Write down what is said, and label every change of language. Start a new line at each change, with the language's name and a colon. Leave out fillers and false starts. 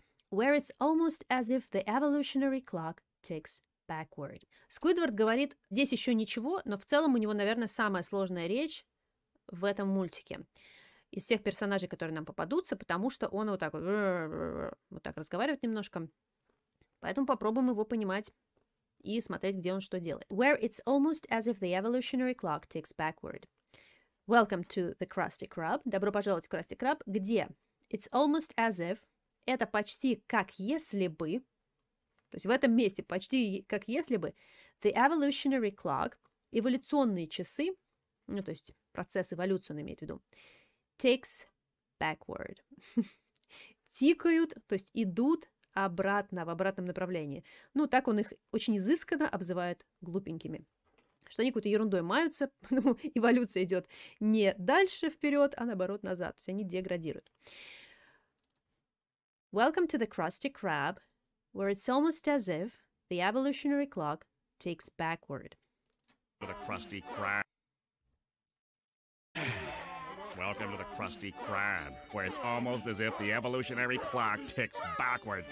English: Where it's almost as if the evolutionary clock ticks backward.
Russian: Сквидвард говорит, здесь еще ничего, но в целом у него, наверное, самая сложная речь в этом мультике. Из всех персонажей, которые нам попадутся, потому что он вот так вот так разговаривает немножко. Поэтому попробуем его понимать и смотреть, где он что делает.
English: Where it's almost as if the evolutionary clock ticks backward. Welcome to the Krusty Krab.
Russian: Добро пожаловать в Krusty Krab. Где?
English: It's almost as if.
Russian: Это почти как если бы. То есть в этом месте почти как если бы
English: the evolutionary clock,
Russian: эволюционные часы, ну, то есть процесс эволюции он имеет в виду,
English: ticks backward.
Russian: Тикают, то есть идут обратно, в обратном направлении. Ну, так он их очень изысканно обзывает глупенькими. Что они какой-то ерундой маются, потому эволюция идет не дальше вперед, а наоборот назад. То есть они деградируют.
English: Welcome to the Krusty Krab. Where it's almost as if the evolutionary clock ticks backward. To the Krusty Krab. Welcome to the Krusty Krab, where it's almost as if the evolutionary clock ticks backward.